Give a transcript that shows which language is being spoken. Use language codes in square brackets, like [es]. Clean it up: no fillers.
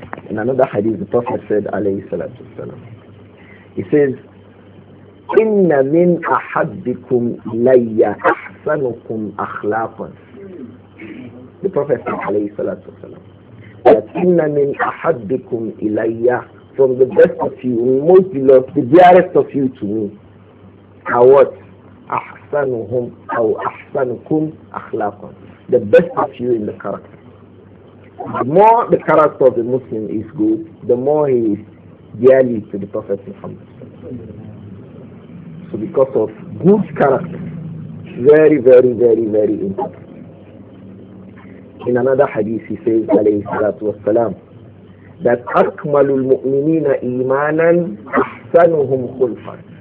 [en] In another hadith, the Prophet said, [ar] alayhi salatu wasalam, [en] he says, [ar] Inna min ahabbikum ilayya ahsanukum akhlaqan. [en] The Prophet said, [ar] alayhi salatu wasalam, [en] that [ar] inna min ahabbikum ilayya, [en] from the best of you, most beloved, the dearest of you to me, are what? [ar] أحسنهم أو أحسنكم أخلاقا. [en] The best of you in the character. The more the character of the Muslim is good, the more he is dearly to the Prophet Muhammad. So because of good character, very, very, very, very important. In another hadith he says, [ar] عليه الصلاة والسلام, that أكمل المؤمنين إيمانا أحسنهم خلقا.